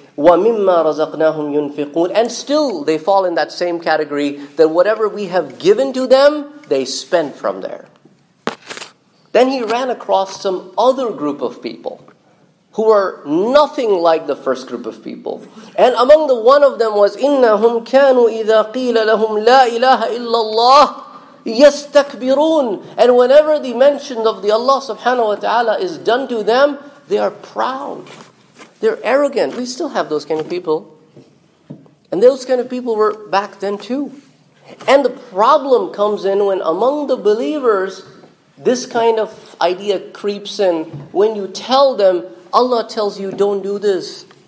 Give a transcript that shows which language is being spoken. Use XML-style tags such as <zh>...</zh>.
<ar>وَمِمَّا رَزَقْنَاهُمْ يُنْفِقُونَ.</ar> <en>And still, they fall in that same category, that whatever we have given to them, they spend from there. Then he ran across some other group of people who are nothing like the first group of people. And among the one of them was,</en> <ar>إِنَّهُمْ كَانُوا إِذَا قِيلَ لَهُمْ لَا إِلَهَ إِلَّا اللَّهِ يَسْتَكْبِرُونَ.</ar> <en>And whenever the mention of the Allah subhanahu wa ta'ala is done to them, they are proud. They're arrogant. We still have those kind of people. And those kind of people were back then too. And the problem comes in when among the believers, this kind of idea creeps in when you tell them, Allah tells you don't do this.</en>